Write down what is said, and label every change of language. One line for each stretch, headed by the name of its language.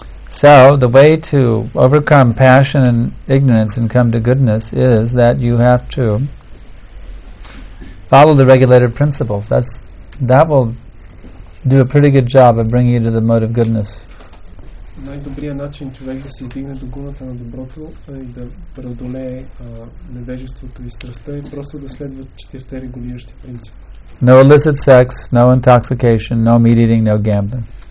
English: So the way to overcome passion and ignorance and come to goodness is that you have to follow the regulated principles. That will do a pretty good job of bringing you to the mode of goodness.
Bulgarian: Най-добрият начин човек да се издигне до гуната на доброто и да преодолее невежеството и страстта е просто да следва четирите регулиращи принципи.
English: No illicit sex, no intoxication, no meat eating, no gambling.